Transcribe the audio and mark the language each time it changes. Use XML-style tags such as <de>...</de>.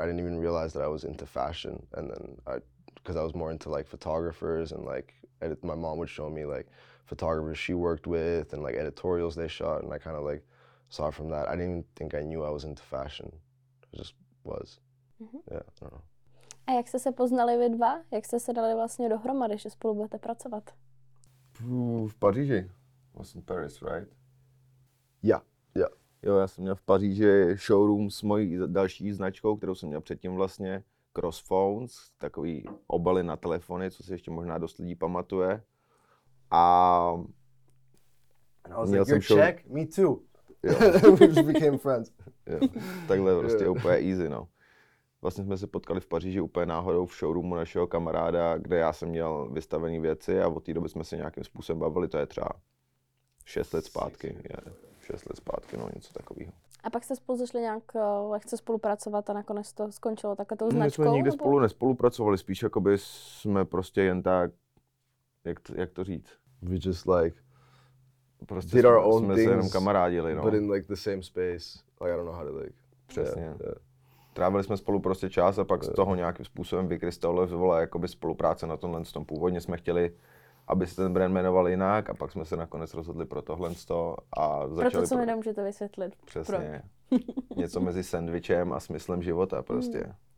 <en>I didn't even realize that I was into fashion, and then because I was more into like photographers and like my mom would show me like photographers she worked with and like editorials they shot, and I kind of like saw from that. I didn't even think I knew I was into fashion. I just was. Mm-hmm. Yeah, I don't know.</en> <cs>A jak jste se poznali vy dva? Jak jste se dali vlastně dohromady, že spolu budete pracovat? V Paříži.</cs> <en>Was in Paris, right? Yeah.</en> <cs>Jo, já jsem měl v Paříži showroom s mojí další značkou, kterou jsem měl předtím vlastně, Crossphones, takový obaly na telefony, co si ještě možná dost lidí pamatuje.</cs> <en>And I was like, you're Czech? Me too. We just became friends.</en> <cs>Takhle prostě úplně easy, no. Vlastně jsme se potkali v Paříži úplně náhodou v showroomu našeho kamaráda, kde já jsem měl vystavený věci a od té doby jsme se nějakým způsobem bavili, to je třeba 6 let zpátky. No něco takového. A pak jste spolu zašli nějak lehce spolupracovat a nakonec to skončilo takhle tou značkou? My jsme nikdy spolu nespolupracovali, spíš jakoby jsme prostě jen tak, jak to říct?</cs> <en>We just like</en> <cs>prostě</cs> <en>did our own things,</en> <cs>jsme se jenom kamarádili, no.</cs> <en>But in like the same space, like I don't know how to like.</en> <cs>Přesně.</cs> <en>Yeah.</en> <cs>Trávili jsme spolu prostě čas a pak z toho nějakým způsobem vykrystalizovala jakoby spolupráce na tomhle s tom. Původně jsme chtěli, aby se ten brand jmenoval jinak, a pak jsme se nakonec rozhodli pro tohle z toho a začali. Proto co mi nemůžete vysvětlit. Přesně. Něco mezi sandvičem a smyslem života prostě.</cs>